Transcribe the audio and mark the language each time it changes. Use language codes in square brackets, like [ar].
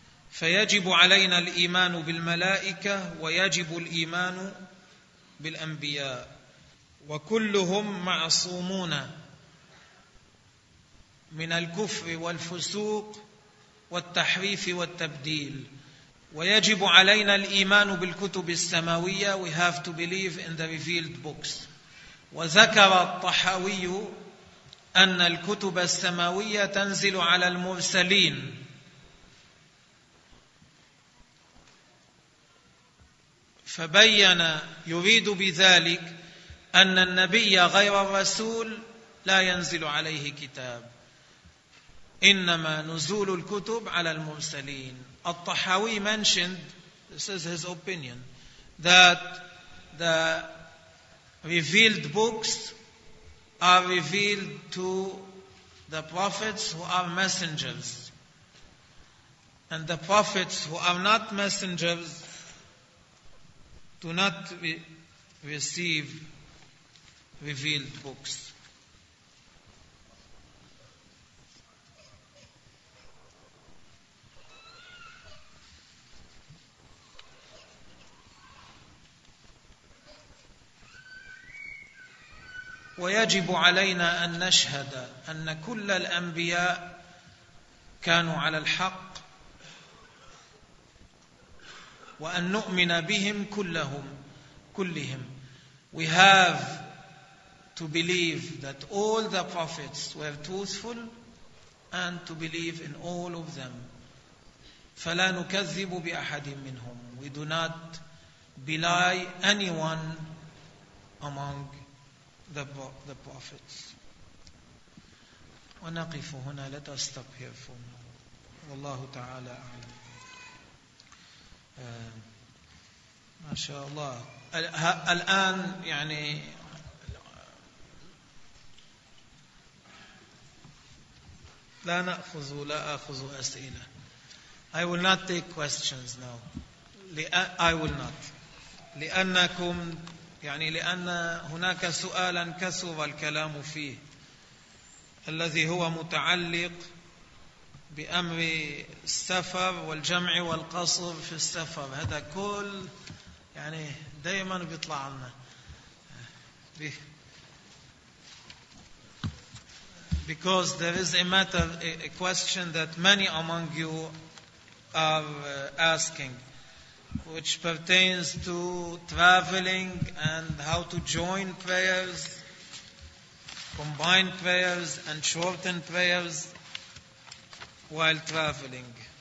[ar] فيجب علينا الإيمان بالملائكة، ويجب الإيمان بالأنبياء، وكلهم معصومون من الكفر والفسوق والتحريف والتبديل. ويجب علينا الإيمان بالكتب السماوية، [en] we have to believe in the revealed books. [ar] وذكر الطحاوي أن الكتب السماوية تنزل على المرسلين، فبين يريد بذلك أن النبي غير الرسول لا ينزل عليه كتاب، إنما نزول الكتب على المرسلين. [en] الطحاوي mentioned, this is his opinion, that the revealed books are revealed to the prophets who are messengers. And the prophets who are not messengers do not receive revealed books. [ar] ويجب علينا أن نشهد أن كل الأنبياء كانوا على الحق، وأن نؤمن بهم كلهم. [en] We have to believe that all the prophets were truthful and to believe in all of them. [ar] فلا نكذب بأحد منهم. [en] We do not belie anyone among the prophets. [ar] ونقف هنا. [en] Let us stop here for now. [ar] والله تعالى أعلم. ما شاء الله. الآن يعني لا نأخذ ولا أخذ أسئلة. [en] I will not take questions now. I will not. [ar] لأنكم يعني لأن هناك سؤالا كثر الكلام فيه الذي هو متعلق بأمر السفر والجمع والقصر في السفر. هذا كل يعني دائما بيطلع لنا [en] because there is a question that many among you are asking, which pertains to traveling and how to join prayers, combine prayers and shorten prayers while traveling.